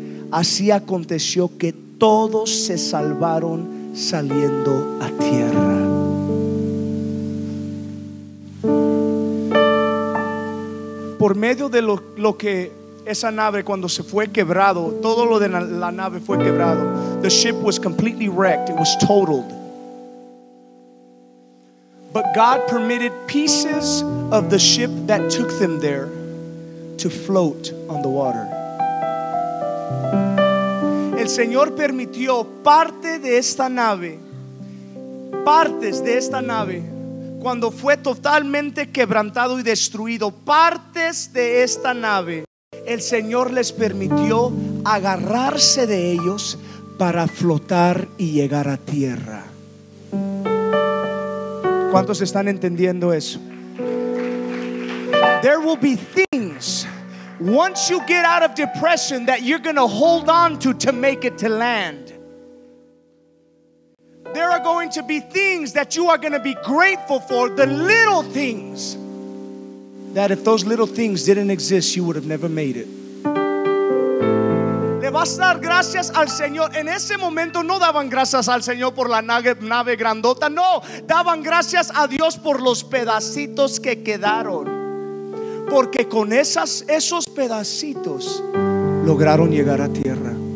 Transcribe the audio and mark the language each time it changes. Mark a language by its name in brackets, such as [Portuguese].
[Spanish] Así aconteció que todos se salvaron saliendo a tierra. Por medio de lo que esa nave, cuando se fue quebrado, todo lo de la nave fue quebrado. [English] The ship was completely wrecked. It was totaled. But God permitted pieces of the ship that took them there to float on the water. El Señor permitió parte de esta nave, partes de esta nave, cuando fue totalmente quebrantado y destruido, partes de esta nave, el Señor les permitió agarrarse de ellos para flotar y llegar a tierra. ¿Cuántos están entendiendo eso? There will be things once you get out of depression that you're going to hold on to make it to land. there are going to be things that you are going to be grateful for, the little things, that if those little things didn't exist, you would have never made it. [Spanish] Le vas a dar gracias al Señor. En ese momento no daban gracias al Señor por la nave grandota. No, daban gracias a Dios por los pedacitos que quedaron. Porque con esos pedacitos lograron llegar a tierra.